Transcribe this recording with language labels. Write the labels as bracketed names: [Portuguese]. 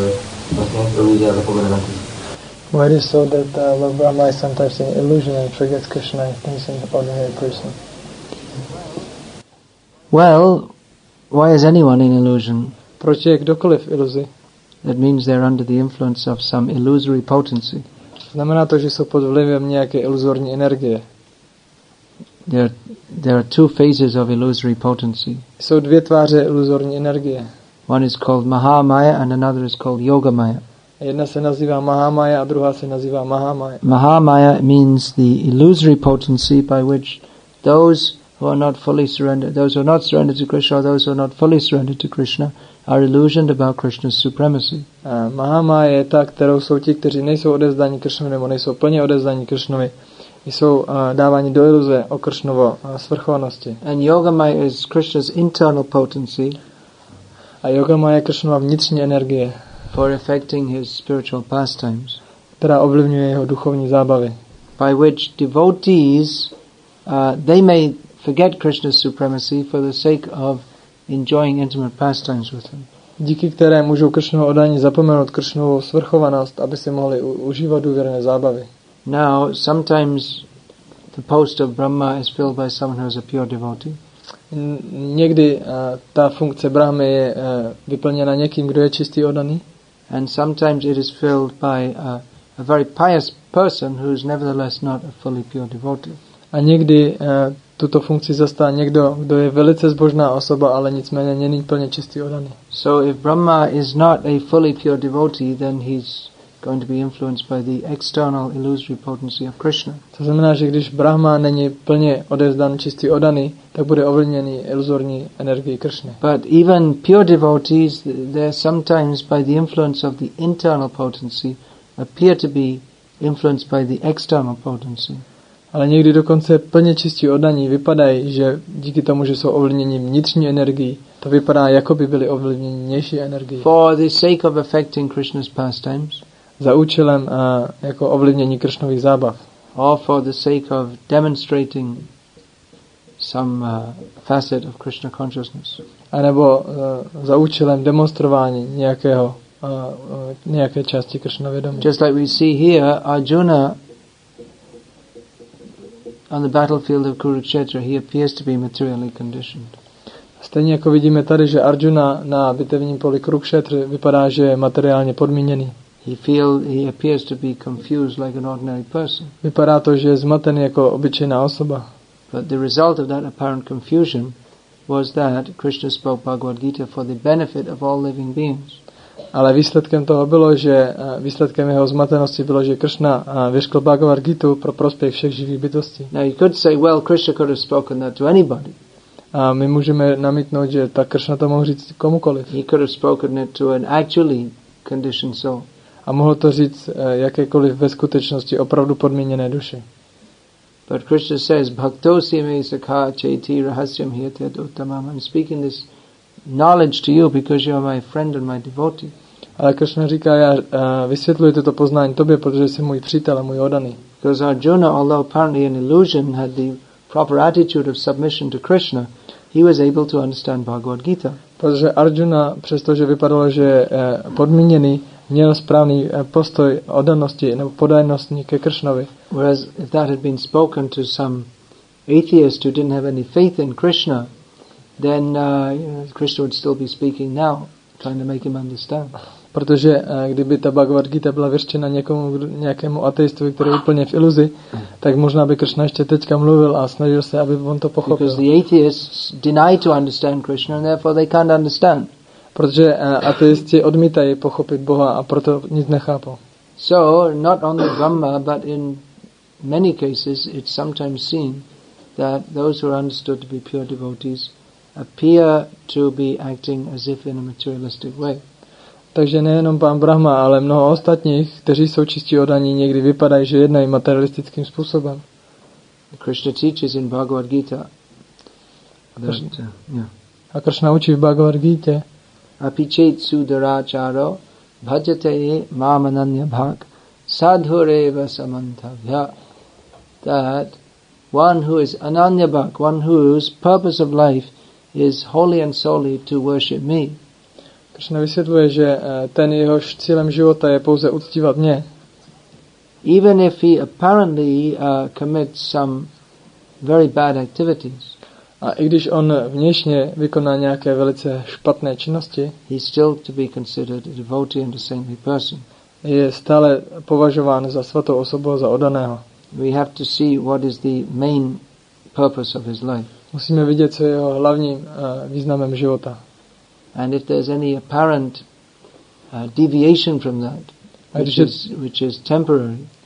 [English] Why is it so that Lord Brahma is sometimes an illusion and forgets Krishna and thinks he's an ordinary person? Well, why is anyone in illusion? [Czech] Proč je kdokoliv iluzi? [English] That means they're under the influence of some illusory potency. [Czech] Znamená to, že jsou pod vlivem nějaké iluzorní energie. [English] There are two phases of illusory potency. [Czech] Jsou dvě tváře iluzorní energie. [English] One is called Mahamaya and another is called Yogamaya. [Czech] Jedna se nazývá Mahamaya a druhá se nazývá Mahamaya. [English] Mahamaya means the illusory potency by which those who are not fully surrendered, those who are not surrendered to Krishna, or those who are not fully surrendered to Krishna, are illusioned about Krishna's supremacy. [Czech] Mahamaya je ta, kterou jsou ti, kteří nejsou odevzdáni Krishnovi, nebo nejsou plně odevzdáni Krishnovi. Jsou dávání do iluze o Kršnovo svrchovanosti. [English] And Yogamaya is Krishna's internal potency. [Czech] A Yogamaya je Kršnova vnitřní energie. [English] For affecting his spiritual pastimes. [Czech] Která ovlivňuje jeho duchovní zábavy. [English] By which devotees, they may forget Krishna's supremacy for the sake of enjoying intimate pastimes with him. [Czech] Díky které můžou Kršnovo oddání zapomenout Kršnovou svrchovanost, aby si mohli užívat důvěrné zábavy. [English] Now, sometimes the post of Brahma is filled by someone who is a pure devotee. [Czech] Někdy ta funkce Brahmy je vyplněna někým, kdo je čistý oddaný. [English] And sometimes it is filled by a very pious person who is nevertheless not a fully pure devotee. [Czech] A někdy tuto funkci zastává někdo, kdo je velice zbožná osoba, ale nicméně není plně čistý oddaný. [English] So if Brahma is not a fully pure devotee, then he's going to be influenced by the external illusory potency of Krishna. [Czech] To znamená, že když Brahma není plně odevzdán, čistý oddaný, tak bude ovlivněný iluzorní energií Krishny. [English] But even pure devotees, they're sometimes by the influence of the internal potency appear to be influenced by the external potency. [Czech] Ale někdy dokonce plně čistí oddaní vypadají, že díky tomu, že jsou ovlivněni vnitřní energií, to vypadá, jako by byli ovlivněni vnější energií. [English] For the sake of affecting Krishna's pastimes. [Czech] Za účelem jako ovlivnění Krishnových zábav. [English] Or for the sake of demonstrating some facet of Krishna consciousness. [Czech] A nebo za účelem demonstrování nějakého nějaké části Krishna vědomí. [English] Just like we see here, Arjuna on the battlefield of Kurukshetra, he appears to be materially conditioned. [Czech] Stejně jako vidíme tady, že Arjuna na bitevním poli Kurukshetra vypadá, že je materiálně podmíněný. [English] He appears to be confused like an ordinary person. [Czech] Vypadá to, že je zmatený jako obyčejná osoba. [English] But the result of that apparent confusion was that Krishna spoke Bhagavad Gita for the benefit of all living beings. [Czech] Ale výsledkem toho bylo, že výsledkem jeho zmatenosti bylo, že Krishna vyřkl Bhagavad Gitu pro prospěch všech živých bytostí. [English] Now you could say, well, Krishna could have spoken that to anybody. [Czech] A my můžeme namítnout, že tak Krishna to mohl říct komukoliv. [English] He could have spoken it to an actually conditioned soul. [Czech] A mohl to říct jakékoliv ve skutečnosti opravdu podmíněné duši. [English] But Krishna says, [Sanskrit] bhaktosi me sakha chaiti rahasyam hiyate uttamam. [English] I'm speaking this knowledge to you because you are my friend and my devotee. [Czech] Ale Krishna říká, já vysvětluji toto poznání tobě, protože jsi můj přítel a můj oddaný. [English] Because Arjuna, although apparently an illusion, had the proper attitude of submission to Krishna, he was able to understand Bhagavad Gita. [Czech] Protože Arjuna, přestože vypadalo, že je podmíněný, měl správný postoj oddanosti nebo podajnosti ke Krishnovi. [English] Whereas if that had been spoken to some atheist who didn't have any faith in Krishna, then Krishna would still be speaking now, trying to make him understand. [Czech] Protože kdyby ta Bhagavad Gita byla vyřčena někomu, nějakému ateistovi, který je úplně v iluzi, tak možná by Krishna ještě teďka mluvil a snažil se, aby on to pochopil. [English] Because the atheists deny to understand Krishna and therefore they can't understand. [Czech] Protože ateisti odmítají pochopit Boha a proto nic nechápou. [English] So, not only Brahma, but in many cases it's sometimes seen that those who are understood to be pure devotees appear to be acting as if in a materialistic way. [Czech] Takže nejenom pán Brahma, ale mnoho ostatních, kteří jsou čistí oddaní, někdy vypadají, že jednají materialistickým způsobem. [English] Krishna teaches in Bhagavad Gita. [Czech] A Krishna učí v Bhagavad Gita. [Sanskrit] Apichet sudaracharo bhajate mam ananya bhag sadhureva samantavya. [English] That one who is ananya bhag, one whose purpose of life is wholly and solely to worship me. [Czech] Krishna vysvětluje, že ten jehož cílem života je pouze uctívat mě. [English] Even if he apparently commits some very bad activities. [Czech] A i když on vnějšně vykoná nějaké velice špatné činnosti, [English] he still to be considered a devotee and a saintly person. [Czech] Je stále považován za svatou osobu, za oddaného. [English] We have to see what is the main purpose of his life. [Czech] Musíme vidět, co je jeho hlavním významem života. [English] And if there's any apparent deviation from that, which is temporary.